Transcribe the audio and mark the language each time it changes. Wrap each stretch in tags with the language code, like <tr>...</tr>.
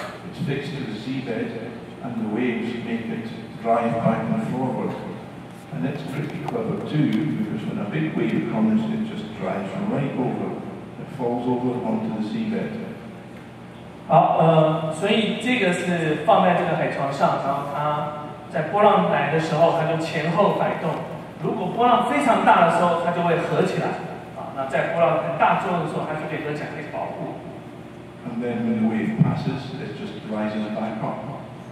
<en>It's fixed to the seabed, and the waves make it drive back and forward. And it's pretty clever too, because when a big wave comes, it just drives right over. It falls over onto the seabed.</en> <zh>好，所以这个是放在这个海床上，然后它在波浪来的时候，它就前后摆动。如果波浪非常大的时候，它就会合起来。啊，那在波浪很大作用的时候，它就可以合起来，可以保护。</zh> <en>And then when the wave passes, it just rises back up.</en>